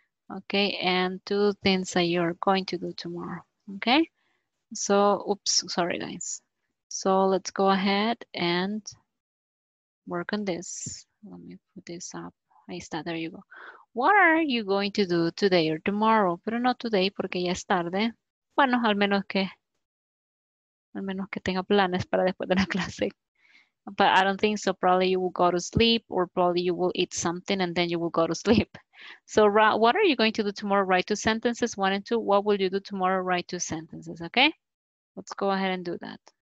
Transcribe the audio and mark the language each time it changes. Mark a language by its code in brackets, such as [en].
[en] Okay, and two things that you're going to do tomorrow. Okay, so oops, sorry guys. So let's go ahead and work on this. Let me put this up. [es] Ahí está, [en] there you go. What are you going to do today or tomorrow? [es] Pero no today porque ya es tarde. Bueno, al menos que tenga planes para después de la clase. [en] But I don't think so. Probably you will go to sleep or probably you will eat something and then you will go to sleep. So what are you going to do tomorrow? Write two sentences, one and two. What will you do tomorrow? Write two sentences, okay? Let's go ahead and do that.